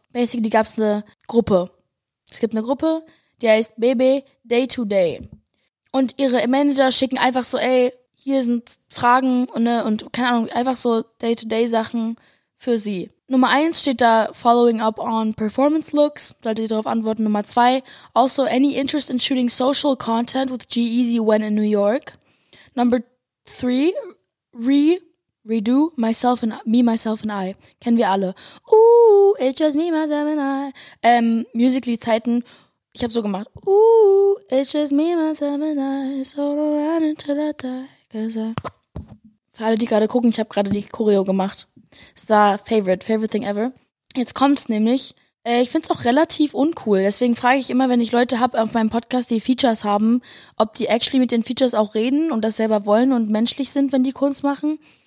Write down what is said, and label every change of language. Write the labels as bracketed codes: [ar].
[en] Basically, [de] die gab's eine Gruppe. Es gibt eine Gruppe, die heißt Baby Day to Day. Und ihre Manager schicken einfach so, ey, hier sind Fragen und keine Ahnung, einfach so Day-to-Day-Sachen für sie. Nummer 1 steht da, [en] following up on performance looks, [de] sollte sie darauf antworten. Nummer 2, also [en] any interest in shooting social content with G-Eazy when in New York. Number 3, redo myself and me, myself and I. [de] Kennen wir alle. [en] Ooh, it's just me, myself and I. [de] Musically-Zeiten, ich habe so gemacht. [en] Ooh, it's just me, myself and I, so don't run until I die. [de] Für alle, die gerade gucken, ich habe gerade die Choreo gemacht. Das war [en] favorite thing ever. [de] Jetzt kommt's nämlich. Ich find's auch relativ uncool. Deswegen frage ich immer, wenn ich Leute habe auf meinem Podcast, die Features haben, ob die [en] actually [de] mit den Features auch reden und das selber wollen und menschlich sind, wenn die Kunst machen.